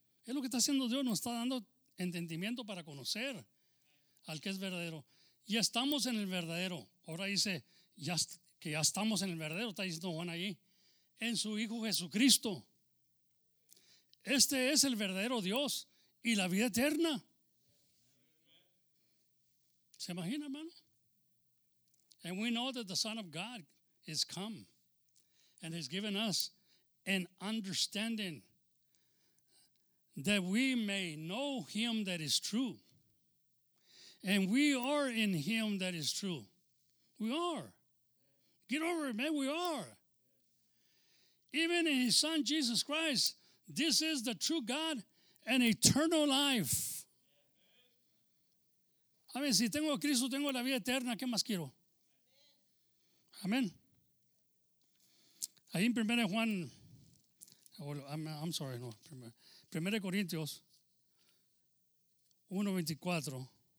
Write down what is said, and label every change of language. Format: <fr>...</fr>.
<es>Es lo que está haciendo Dios, nos está dando entendimiento para conocer al que es verdadero. Ya estamos en el verdadero. Ahora dice ya estamos en el verdadero, está diciendo Juan ahí, en su Hijo Jesucristo. Este es el verdadero Dios y la vida eterna. ¿Se imagina, hermano?</es> <en>And we know that the Son of God is come and has given us an understanding that we may know him that is true. And we are in him that is true. We are. Get over it, man. We are. Even in his Son, Jesus Christ, this is the true God and eternal life.</en> <es>A ver, si tengo a Cristo, tengo la vida eterna. ¿Qué más quiero? Amén. Ahí en 1 Juan, no, 1 Corintios 1:24.</es>